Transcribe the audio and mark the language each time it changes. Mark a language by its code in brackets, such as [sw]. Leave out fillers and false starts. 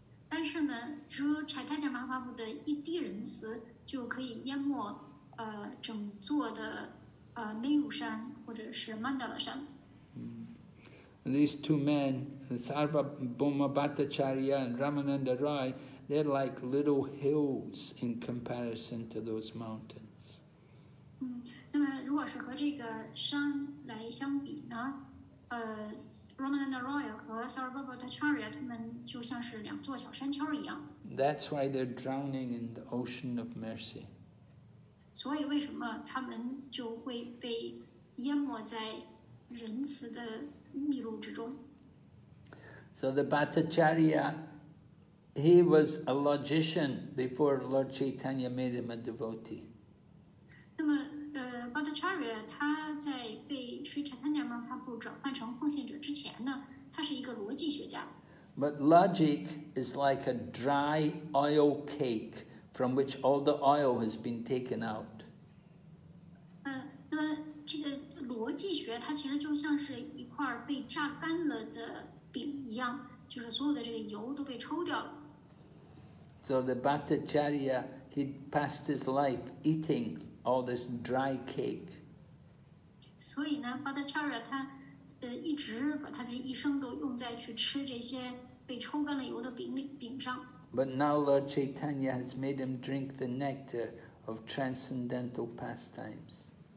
[zh] 但是呢 ，Sri Chaitanya Mahaprabhu 的一滴仁慈就可以淹没整座的梅鲁山或者是曼德拉山。 [en] These two men, Sarvabhauma Bhattacharya and Ramananda Roy, they're like little hills in comparison to those mountains. [zh] 那么如果是和这个山来相比呢？ Ramananda Roy 和 Sarvabhauma Bhattacharya 他们就像是两座小山丘一样。 [en] That's why they're drowning in the ocean of mercy. [zh] 所以为什么他们就会被淹没在仁慈的密路之中？ [en] So the Bhattacharya, he was a logician before Lord Chaitanya made him a devotee. [zh] 那么Bhattacharya 他在被 Sri Chaitanya Mahaprabhu 转换成奉献者之前呢，他是一个逻辑学家。 [en] But logic is like a dry oil cake from which all the oil has been taken out. [zh] 那么这个逻辑学它其实就像是一块被榨干了的饼一样，就是所有的这个油都被抽掉了。 [en] So the Bhattacharya, he passed his life eating all this dry cake. [zh] 所以呢 ，Bhattacharya 他一直把他这一生都用在去吃这些被抽干了油的饼上。 [en] But now Lord Chaitanya has made him drink the nectar of transcendental pastimes.